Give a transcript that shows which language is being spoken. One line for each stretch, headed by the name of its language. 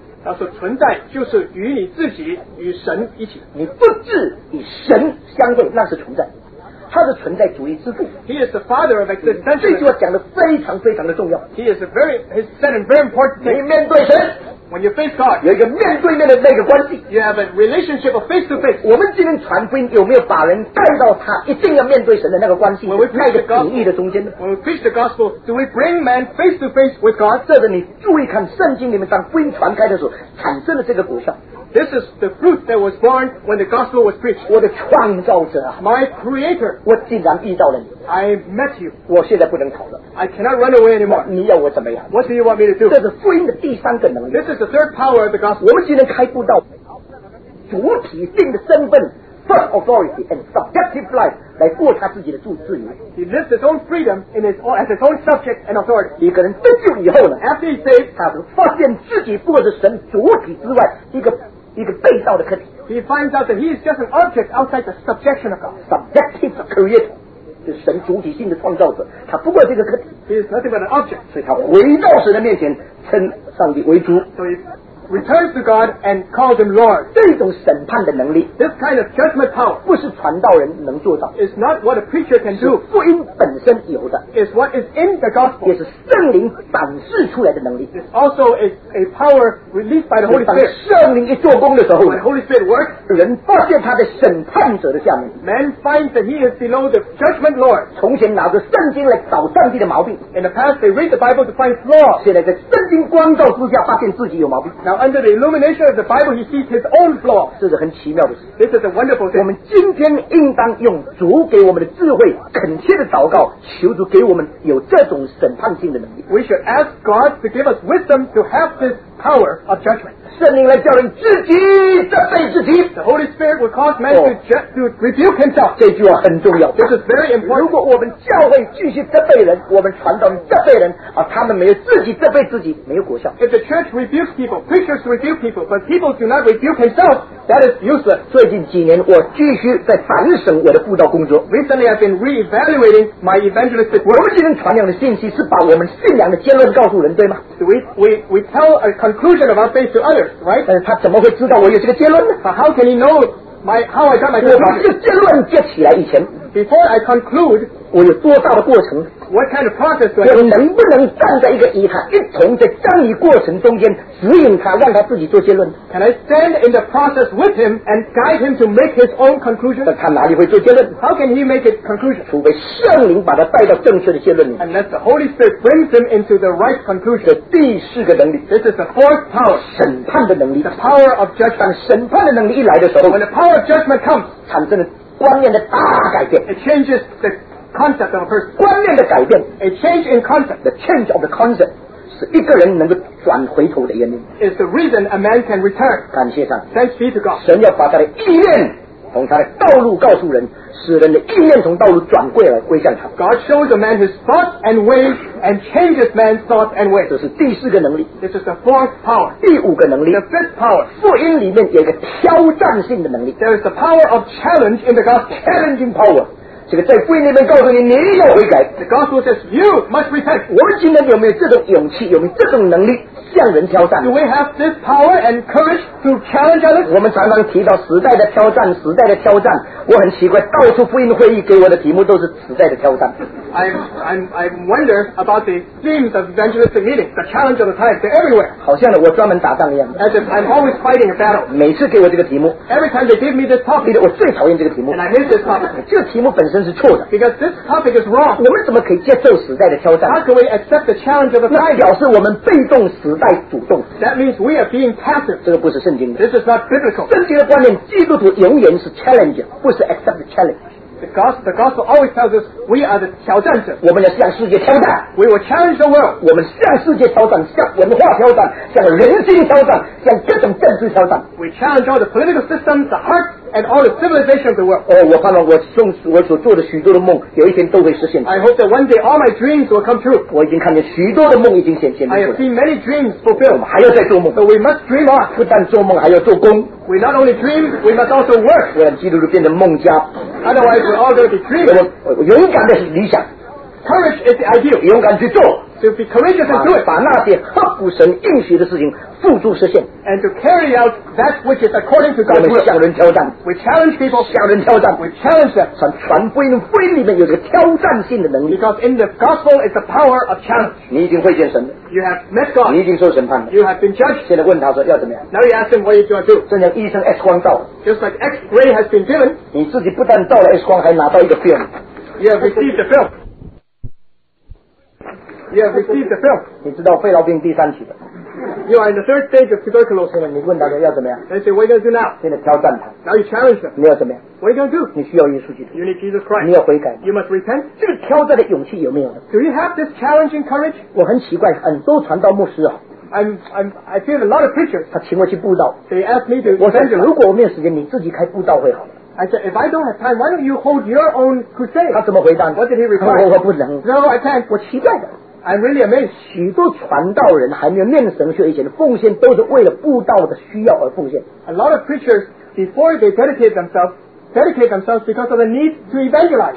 Chinese: 他说存在就是与你自己与神一起你独自与神相对那是存在他是存在主义之父
English: He is the father of existence
Chinese: 这句话讲得非常非常的重要
English: He is a very He said a very important thing
Chinese: 你面对神
English: When you face God
Chinese: 有一个面对面的那个关系
English: You have a relationship of face to face
Chinese: 我们今天传福音有没有把人带到他一定要面对神的那个关系
English: When we preach the gospel
Chinese: 在主义的中间呢
English: When we preach the gospel Do we bring man face to face with God
Chinese: 这个你注意看圣经里面当福音传开的时候产生了这个果效
English: This is the fruit that was born when the gospel was preached.
Chinese: 我的创造者
English: My creator.
Chinese: 我竟然遇到了你
English: I met you.
Chinese: 我现在不能逃了
English: I cannot run away anymore.
Chinese: 你要我怎么样
English: What do you want me to do?
Chinese: 这是福音的第三个能力
English: This is the third power of the gospel.
Chinese: 我们今天开悟到主体性的身份
English: full authority and subjective life
Chinese: 来过他自己的自由
English: He lives his own freedom in his own, as his own subject and authority.
Chinese: 一个人得救以后呢
English: After he saved,
Chinese: 他就发现自己不过是神主体之外一个一个被造的客体
English: He finds out that he is just an object outside the subjection of God. Subjective creator,
Chinese: 是神主体性的创造者。他不过是一个客体
English: He is nothing but an object.
Chinese: 所以他回到神的面前，称上帝为主。
English: So he returns to God and calls him Lord.
Chinese: 这种审判的能力
English: This kind of judgment power
Chinese: 不是传道人能做到
English: It's not what a preacher can do.
Chinese: 是福音本身有的
English: It's what is in the gospel.
Chinese: 也是圣灵展示出来的能力
English: It's also a power released by the Holy Spirit.
Chinese: 圣灵一做工的时候
English: When Holy Spirit works,
Chinese: 人发现他的审判者的下面
English: Man finds that he is below the judgment Lord.
Chinese: 从前拿着圣经来找上帝的毛病
English: In the past, they read the Bible to find flaw.
Chinese: 现在在圣经光照之下发现自己有毛病
English: Now,Under the illumination of the Bible, he sees his own flaw.
Chinese: 这是很奇妙的事。
English: This is a wonderful thing.
Chinese: 我们今天应当用主给我们的智慧，恳切的祷告，求主给我们有这种审判性的能力。
English: We should ask God to give us wisdom to have this power of judgment.
Chinese: 圣灵来叫人自己责备自己。
English: The Holy Spirit will cause man to rebuke himself.
Chinese: 这句话很重要。
English: This is very important.
Chinese: 如果我们教会继续责备人，我们传道责备人，他们没有自己责备自己，没有果效。
English: If the church rebukes people, preachers rebuke people, but people do not rebuke themselves, that is useless.
Chinese: 最近几年，我继续在反省我的布道工作。
English: Recently, I've been re-evaluating my evangelistic work.
Chinese: 我们今天传扬的信息是把我们信仰的结论告诉人，对吗？
English: We tell a conclusion of our faith to others. Right?
Chinese: 但是他怎么会知道我有这个结论呢
English: But how can he know my, how I got my
Chinese: 我把这个结论接起来以前
English: Before I conclude
Chinese: 我有多大的过程
English: What kind of process do I
Chinese: 我能不能站在一个以他一同在参与过程中间指引他让他自己做结论
English: Can I stand in the process with him and guide him to make his own conclusion
Chinese: 但他哪里会做结论
English: How can he make his conclusion
Chinese: 除非圣灵把他带到正确的结论
English: Unless the Holy Spirit brings him into the right conclusion
Chinese: 这第四个能力
English: This is the fourth power
Chinese: 审判的能力
English: The power of judgment
Chinese: 当审判的能力一来的时候
English: When the power of judgment comes
Chinese: 产生了观念的大改变
English: It changes theconcept of a person
Chinese: 观念的改变
English: a change in concept the change of the concept
Chinese: 是一个人能够转回头的原因
English: is the reason a man can return
Chinese: 感谢上
English: thanks be to God
Chinese: 神要把他的意念从他的道路告诉人使人的意念从道路转过来归向他
English: God shows a man his thoughts and ways and changes man's thoughts and ways
Chinese: 这是第四个能力
English: this is the fourth power
Chinese: 第五个能力
English: the fifth power
Chinese: 福音里面有一个挑战性的能力
English: there is the power of challenge in the gospel challenging power
Chinese: 这个在福音里面告诉你，你要悔改。
English: The gospel says you must repent.
Chinese: 我们今天有没有这种勇气，有没有这种能力向人挑战？
English: Do we have this power and courage to challenge others?
Chinese: 我们常常提到时代的挑战，时代的挑战。我很奇怪，到处福音会议给我的题目都是时代的挑战。
English: I wonder about the themes of evangelistic meetings. The challenge of the times. They're everywhere.
Chinese: 好像我专门打仗一样。
English: As if I'm always fighting a battle.
Chinese: 每次给我这个题目。
English: Every time they give me this topic.
Chinese: 我最讨厌这个题目。
English: And I hate this topic.
Chinese: 这个题目本身是错的。
English: Because this topic is wrong.
Chinese: 我们怎么可以接受时代的挑战？
English: How can we accept the challenge of the times?
Chinese: 那表示我们被动，时代主动。
English: That means we are being passive.
Chinese: 这个不是圣经的。
English: This is not biblical.
Chinese: 圣经的观念，基督徒永远是 challenger， 不是
English: accept the challenge。 The gospel always tells us we are the 挑战者。
Chinese: 我们要向世界挑战。
English: We will challenge the world.
Chinese: 我们向世界挑战，向文化挑战，向人心挑战，向各种政治挑战。
English: We challenge all the political systems, the hearts, and all the civilization of the world.
Chinese: 哦，我盼望我所做的许多的梦，有一天都会实现。
English: I hope that one day all my dreams will come true.
Chinese: 我已经看见许多的梦已经显出来。
English: I have seen many dreams fulfilled.
Chinese: 我们还要再做梦。
English: So we must dream on.
Chinese: 不但做梦，还要做工。
English: We not only dream, we must also work.
Chinese: 不然基督徒变成梦家。
English: Otherwise, we're all going to be dreaming.
Chinese: 勇敢的是理想。
English: Courage is the ideal.
Chinese: 勇敢去做。
English: To be courageous and do it.
Chinese: 把那些合乎神应许的事情付诸实现。
English: And to carry out that which is according to God's will.
Chinese: 我们向人挑战。
English: We challenge people.
Chinese: 向人挑战。
English: We challenge them.
Chinese: 传传福音，福音里面有这个挑战性的能力。
English: Because in the gospel is the power of challenge.
Chinese: 你已经会见神了。
English: You have met God.
Chinese: 你已经受审判了。
English: You have been judged.
Chinese: 现在问他说要怎么样。
English: Now you ask him what you're going to do.
Chinese: 正像医生 X 光照。
English: Just like X-ray has been given.
Chinese: 你自己不但照了 X 光，还拿到一个 film.
English: You have received the film. You have received the film.
Chinese: 你知道肺痨病第三期的。
English: You are in the third stage of tuberculosis.
Chinese: 你问大家要怎么样？
English: They say, what are you going to do now?
Chinese: 现在挑战他。
English: Now you challenge them.
Chinese: 你要怎么样？
English: What are you going to do?
Chinese: 你需要耶稣基督。
English: You need Jesus Christ.
Chinese: 你要悔改。
English: You must repent.
Chinese: 这个挑战的勇气有没有呢？
English: Do you have this challenging courage?
Chinese: 我很奇怪，很多传道牧师啊。
English: I feel a lot of preachers.
Chinese: 他请我去布道。
English: They ask me to.
Chinese: 我说，如果我没有时间，你自己开布道会好了。
English: I said, if I don't have time, why don't you hold your own crusade?
Chinese: 他怎么回答？
English: What did he reply?
Chinese: 我不能。
English: No, I can't.
Chinese: 我期待的。
English: I'm really amazed.
Chinese: 许多传道人还没有念神学以前的奉献，都是为了布道的需要而奉献。
English: A lot of preachers, before they dedicate themselves because of the need to evangelize.